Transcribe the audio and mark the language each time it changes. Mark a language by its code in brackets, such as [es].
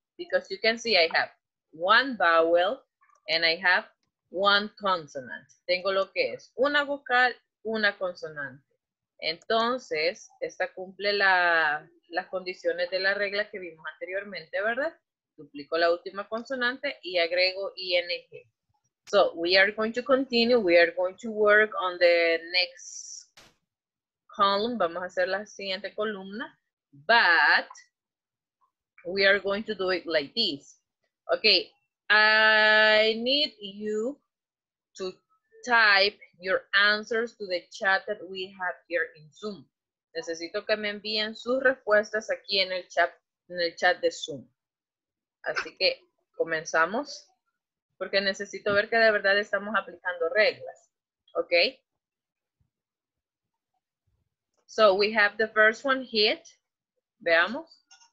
[en] Because you can see I have one vowel and I have one consonant. [es] Tengo lo que es una vocal, una consonante. Entonces, esta cumple las condiciones de la regla que vimos anteriormente, ¿verdad? Duplico la última consonante y agrego ing. [en] So, we are going to continue. We are going to work on the next column. Vamos a hacer la siguiente columna. But, we are going to do it like this. Okay, I need you to type your answers to the chat that we have here in Zoom. [es] Necesito que me envíen sus respuestas aquí en el chat de Zoom. Así que, comenzamos. Porque necesito ver que de verdad estamos aplicando reglas. [en] Okay. So we have the first one hit. Veamos.